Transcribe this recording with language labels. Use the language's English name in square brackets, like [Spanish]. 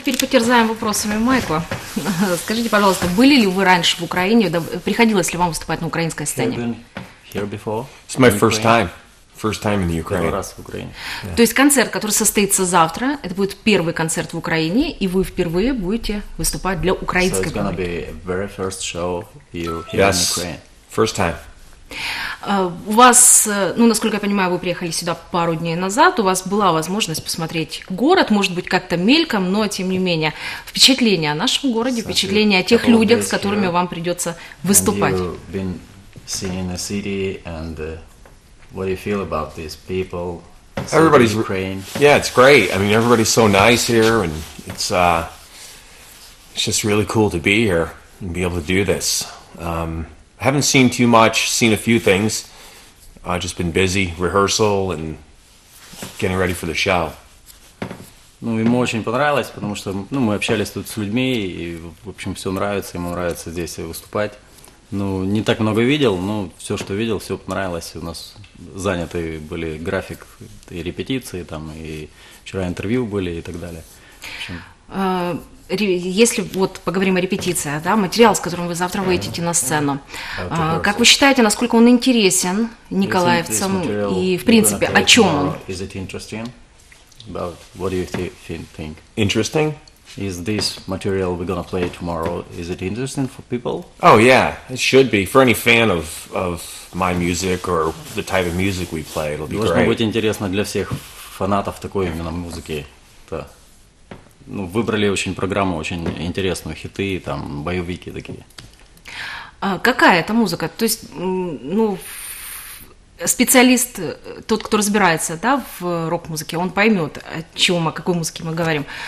[Russian] Терзаем вопросами Майкла. Скажите, пожалуйста, были ли вы раньше в Украине? Приходилось ли вам выступать на украинской сцене? [English] It's my first time. First time in the Ukraine. [Russian] Первый раз в Украине. Yeah. То есть концерт, который состоится завтра, это будет первый концерт в Украине, и вы впервые будете выступать для украинской публики. [English] So it's gonna be very first show you here in Ukraine. First time. [Russian] У вас, ну, насколько я понимаю, вы приехали сюда пару дней назад, у вас была возможность посмотреть город, может быть, как-то мельком, но, тем не менее, впечатление о нашем городе, впечатление о тех людях, с которыми вам придется выступать. [English] Haven't seen too much, seen a few things. Just been busy, rehearsal and getting ready for the show. [Russian] Ну, ему очень понравилось, потому что, ну, мы общались тут с людьми, и, в общем, все нравится, ему нравится здесь выступать. Ну, не так много видел, но все, что видел, все понравилось. У нас заняты были график и репетиции, там, и вчера интервью были и так далее. В общем... Если вот поговорим о репетициях, да, материал, с которым вы завтра выйдете на сцену, как вы считаете, насколько он интересен николаевцам и, в принципе, о чем он? [English] Is it interesting? About what do you think? Interesting? Is this material we're gonna play tomorrow? Is it interesting for people? Oh yeah, it should be for any fan of my music or the type of music we play. It'll be great. [Russian] Должно быть интересно для всех фанатов такой именно музыки. Ну, выбрали очень программу, очень интересную, хиты, там, боевики такие. А какая это музыка? То есть, ну, специалист, тот, кто разбирается, да, в рок-музыке, он поймет, о чем, о какой музыке мы говорим.